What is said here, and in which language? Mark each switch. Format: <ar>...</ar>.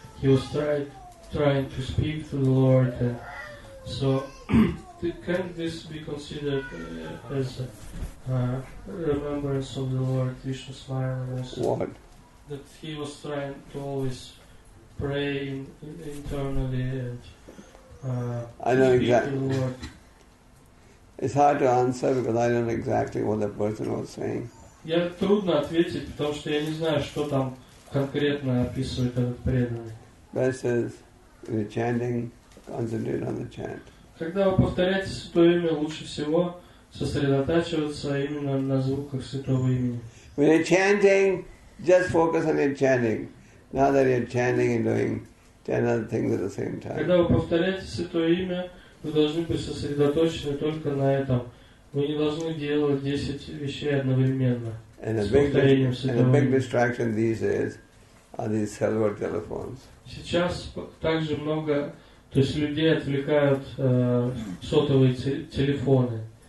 <en>He was trying to speak to the Lord. And so can this be considered as a remembrance of the Lord Vishnu Smaranam? What? That he was trying to always pray internally and I know exactly. It's hard to answer because I don't know exactly what the person was saying.</en> <ru>Я трудно ответить, потому что я не знаю, что там конкретно описывает этот преданный.</ru> <en>Versus the chanting, concentrate on the chant.</en> <ru>Когда вы повторяете святое имя, лучше всего сосредотачиваться именно на звуках святого имени.</ru> <en>When you're chanting, just focus on your chanting. Now that you're chanting and doing 10 other things at the same time.</en> <ru>Когда вы повторяете святое имя, вы должны быть сосредоточены только на этом. Вы не должны делать 10 вещей одновременно.</ru> <en>And a big, distraction these days are these cellular telephones.</en> <ru>Сейчас также много, то есть людей отвлекают сотовые телефоны.</ru>